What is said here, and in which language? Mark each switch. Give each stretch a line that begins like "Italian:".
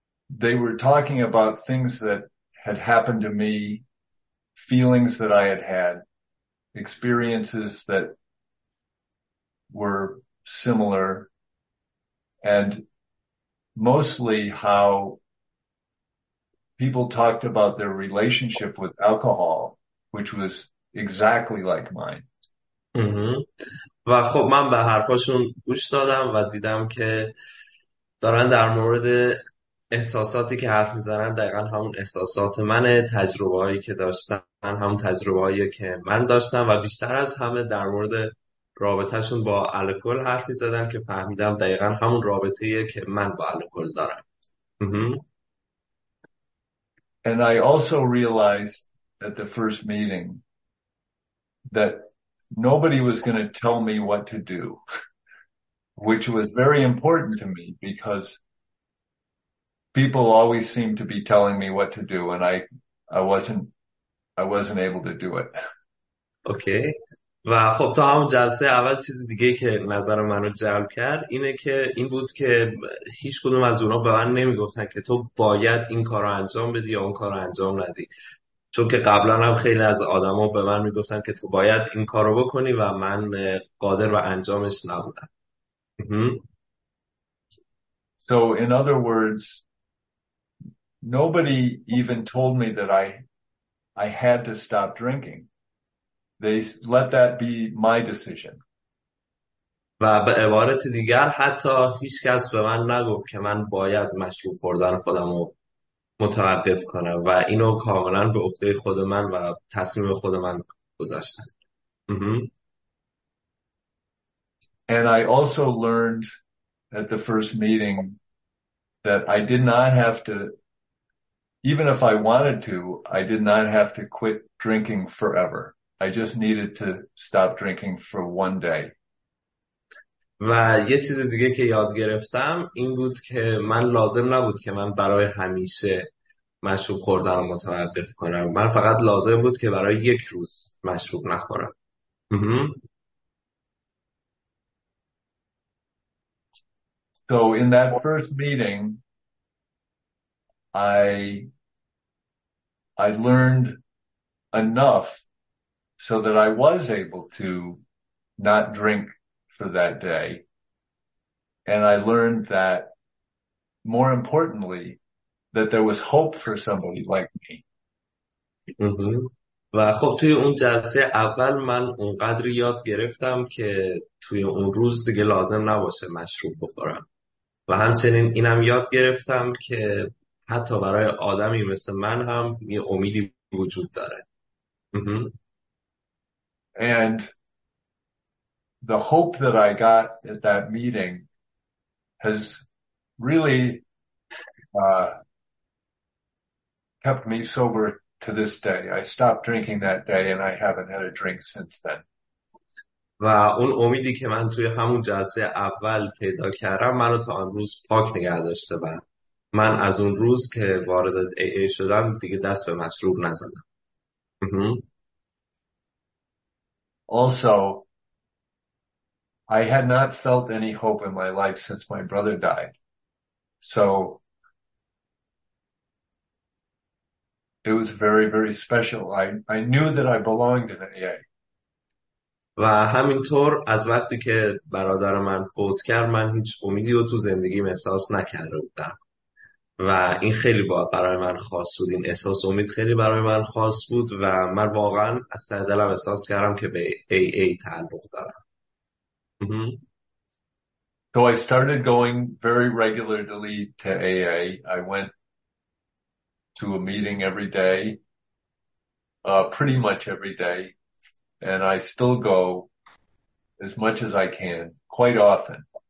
English: they were talking about things that had happened to me, feelings that I had had, experiences that were similar, and mostly how people talked about their relationship with alcohol, which was exactly like mine.
Persian: و خب من به حرفاشون گوش دادم و دیدم که دارن در مورد احساساتی که حرف میزنن دقیقا همون احساسات منه، تجربه هایی که داشتن همون تجربه هایی که من داشتم و بیشتر از همه در مورد رابطهشون با الکل حرف میزدن که فهمیدم دقیقا همون رابطه ایه که من با الکل دارم.
English: And I also realized at the first meeting that nobody was going to tell me what to do, which was very important to me because people always seem to be telling me what to do, and I wasn't able to do it. Okay.
Persian: و خب تا همون جلسه اول چیز دیگه که نظر منو جلب کرد اینه که این بود که هیچ کدوم از اونا به من نمیگفتن که تو باید این کار رو انجام بدی یا اون کار رو انجام ندی، چون که قبلا هم خیلی از آدما به من میگفتن که تو باید این کار رو بکنی و من قادر و انجامش نبودم.
English: So in other words, nobody even told me that I had to stop drinking. They let that be my decision.
Persian: و به عبارت دیگر حتی هیچ کس به من نگفت که من باید مشروب خوردن خودم رو متوقف کنم و اینو کاملا به عهده خود من و تصمیم خود من گذاشتم.
English: And I also learned at the first meeting that I did not have to, even if I wanted to, I did not have to quit drinking forever. I just needed to stop drinking for one day.
Persian: و یه چیز دیگه که یاد گرفتم این بود که من لازم نبود که من برای همیشه مشروب خوردن رو متوقف کنم. من فقط لازم بود که برای یک روز مشروب نخورم.
English: So in that first meeting, I learned enough so that I was able to not drink for that day. And I learned that, more importantly, that there was hope for somebody like me.
Persian: و خب توی اون جلسه اول من اونقدر یاد گرفتم که توی اون روز دیگه لازم نباشه مشروب بخورم و همچنین اینم یاد گرفتم که حتی برای آدمی مثل من هم یه امیدی وجود داره.
English: And the hope that I got at that meeting has really kept me sober to this day. I stopped drinking that day and I haven't had a drink since then.
Persian: و اون امیدی که من توی همون جلسه اول پیدا کردم منو تا آن روز پاک نگه داشته و من از اون روز که وارد AA شدم دیگه دست به مشروب نزدم.
English: Also, I had not felt any hope in my life since my brother died. So it was very, very special. I knew that I belonged in AA.
Persian: و همینطور از وقتی که برادر من فوت کرد من هیچ امیدی رو تو زندگی احساس نکرده بودم و این خیلی بود برای من خاص بود، این احساس امید خیلی برای من خاص بود و من واقعا از ته دلم احساس کردم که به AA تعلق دارم.
English: So I started going very regularly to AA. I went to a meeting every day, pretty much every day. And I still go as much as I can, quite often.